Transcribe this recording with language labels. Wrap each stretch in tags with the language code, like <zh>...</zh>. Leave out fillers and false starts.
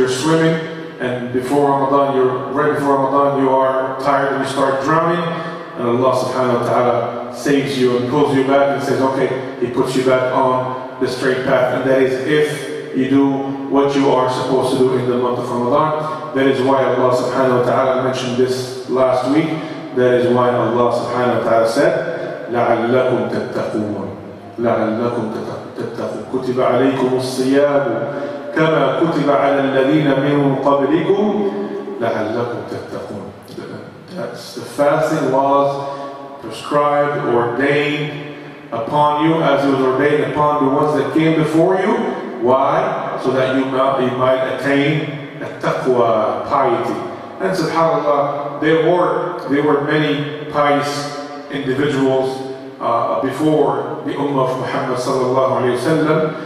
<en>You're swimming, and right before Ramadan, you are tired and you start drowning, and Allah subhanahu wa ta'ala saves you and pulls you back and says, okay, He puts you back on the straight path. And that is if you do what you are supposed to do in the month of Ramadan. That is why Allah subhanahu wa ta'ala mentioned this last week. That is why Allah subhanahu wa ta'ala said,</en> <ar>لَعَلَّكُمْ تَتَّقُونَ لَعَلَّكُمْ تَتَّقُونَ كُتِبَ عَلَيْكُمُ الصِّيَامُ كما كتب على الذين من قبلكم لعلكم تتقون.</ar> <en>The fasting was prescribed, ordained upon you, as it was ordained upon the ones that came before you. Why? so that you might attain taqwa, piety. And subhanAllah, there were many pious individuals before the Ummah of Muhammad sallallahu alayhi wa sallam.</en>